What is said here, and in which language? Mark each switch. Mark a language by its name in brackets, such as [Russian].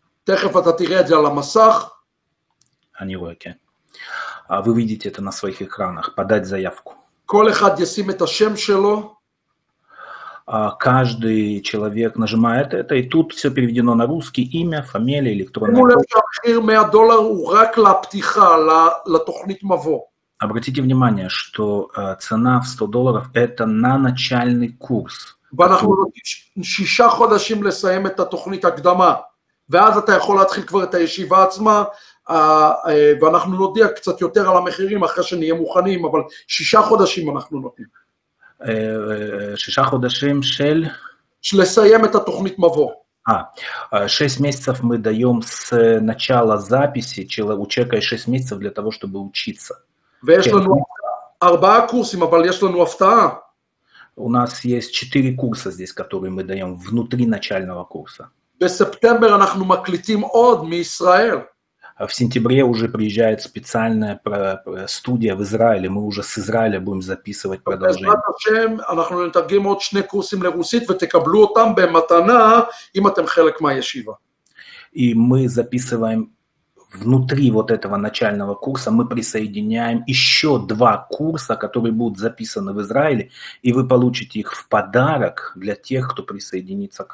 [Russian] Вы видите это на своих экранах. «Подать заявку». [Hebrew] כל אחד ישים את השם שלו. [Russian] Каждый человек нажимает это, и тут все переведено на русский, имя, фамилия, электронный адрес. [Hebrew] Ну, למשל, $100 הוא רק לפתיחה, לתוכנית מבוא. [Russian] Обратите внимание, что цена в $100 это на начальный курс. [Hebrew] ואנחנו נותנים 6 חודשים לסיים את התוכנית הקדמה, ואז אתה יכול להתחיל כבר את הישיבה עצמה, ואנחנו נודיע קצת יותר על המחירים אחרי שנהיה מוכנים, אבל 6 חודשים אנחנו נותנים. 6 חודשים של? של לסיים את התוכנית מבוא. [Russian] 6 месяцев мы даем с начала записи, у человека 6 месяцев для того, чтобы учиться. [Hebrew] ויש לנו 4 קורסים, אבל יש לנו הפתעה. [Russian] У нас есть 4 курса здесь, которые мы даем внутри начального курса. [Hebrew] בספטמבר אנחנו מקליטים עוד מישראל. [Russian] В сентябре уже приезжает специальная студия в Израиле. Мы уже с Израиля будем записывать продолжение. И мы записываем внутри вот этого начального курса мы присоединяем еще два курса, которые будут записаны в Израиле, и вы получите их в подарок для тех, кто присоединится к